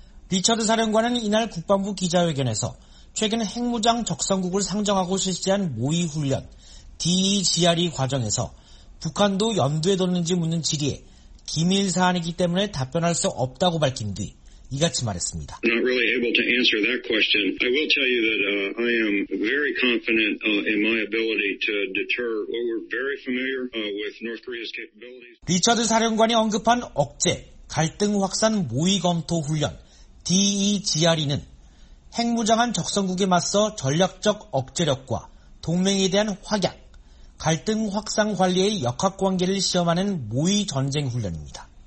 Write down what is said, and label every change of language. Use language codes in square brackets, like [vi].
[ko] 리처드 사령관은 이날 국방부 기자회견에서 최근 핵무장 적성국을 상정하고 실시한 모의훈련 DEGRE 과정에서 북한도 염두에 뒀는지 묻는 질의에 기밀 사안이기 때문에 답변할 수 없다고 밝힌 뒤 이같이 말했습니다. [en] Not really able to answer that question. I will tell you that I am very confident in my ability to deter. We're very familiar with North Korea's capabilities. [ko] 리처드 사령관이 언급한 억제, 갈등 확산 모의 검토 훈련 DEGRE는 핵무장한 적성국에 맞서 전략적 억제력과 동맹에 대한 확약, 갈등 확산 관리의 역학관계를 시험하는 모의 전쟁 훈련입니다.